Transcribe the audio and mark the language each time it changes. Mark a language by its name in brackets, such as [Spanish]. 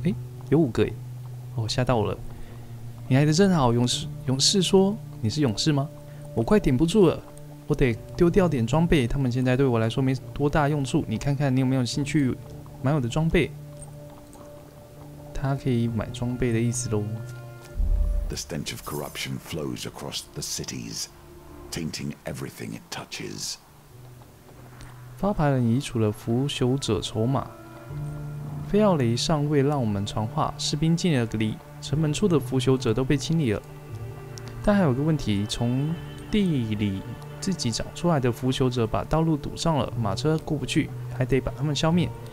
[Chinese] 哎，有五个哎，哦，吓到我了！你来的正好，勇士说你是勇士吗？我快顶不住了，我得丢掉点装备，他们现在对我来说没多大用处。你看看你有没有兴趣买我的装备？他可以买装备的意思喽。 [English] The stench of corruption flows across the cities, tainting everything it touches. [Chinese] 发牌人移除了腐朽者筹码。菲奥雷上尉让我们传话，士兵尽了力，城门处的腐朽者都被清理了。但还有个问题，从地里自己长出来的腐朽者把道路堵上了，马车过不去，还得把他们消灭。